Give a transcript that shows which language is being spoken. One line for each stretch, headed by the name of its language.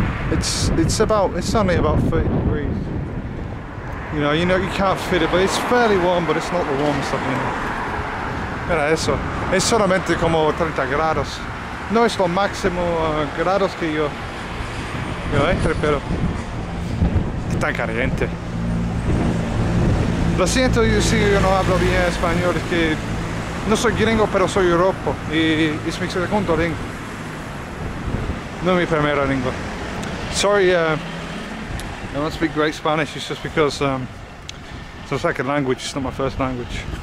English: It's only about 30 degrees. You know, you can't fit it, but it's fairly warm, but it's not the warmest I've been.
Spanish: Mira eso. Es solamente como 30 grados. No es lo máximo grados que yo entre, pero es tan caliente. Lo siento, yo sí, yo no hablo bien español, es que no soy gringo, pero soy europeo. Y es mi segundo lengua. No mi primera lengua.
English: Sorry, I don't speak great Spanish, it's just because it's a second language, it's not my first language.